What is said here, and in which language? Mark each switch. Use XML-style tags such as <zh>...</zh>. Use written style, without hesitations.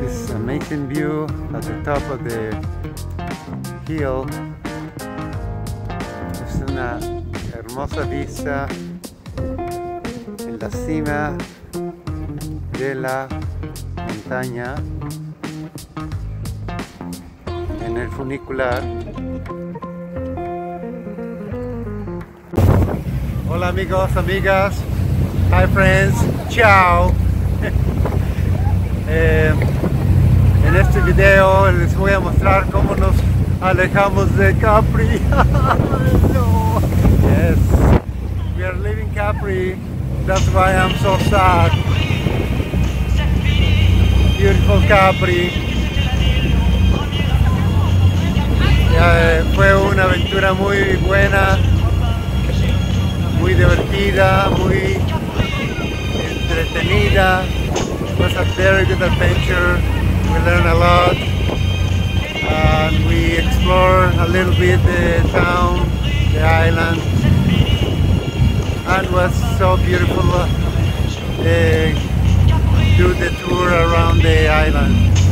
<en>Amazing view at the top of the hill.</en> <es>Es una hermosa vista en la cima de la montaña en el funicular. Hola amigos, amigas.</es> <en>Hi friends,</en> <es>ciao. En este video les voy a mostrar cómo nos alejamos de Capri.</es> <en>No. Yes, we are leaving Capri. That's why I'm so sad. Beautiful Capri.</en> <es>Fue una aventura muy buena, muy divertida, muy entretenida.</es> <en>It was a very good adventure. We learned a lot. And we explored a little bit the town, the island. And it was so beautiful to do the tour around the island.</en>